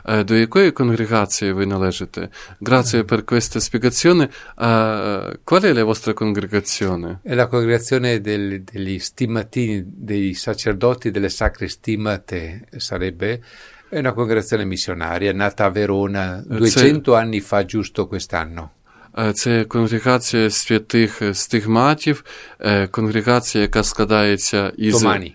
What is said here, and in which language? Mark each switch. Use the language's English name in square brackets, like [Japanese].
[Ukrainian] До якої конгрегації ви належите? [Italian] Grazie per questa spiegazione. Qual è la vostra congregazione? È la congregazione degli stimmatini, dei sacerdoti, delle sacre stimmate, sarebbe... È una congregazione missionaria, nata a Verona 200 anni fa, giusto quest'anno. [Ukrainian] Це конгрегація святих стигматів, конгрегація, яка складається із...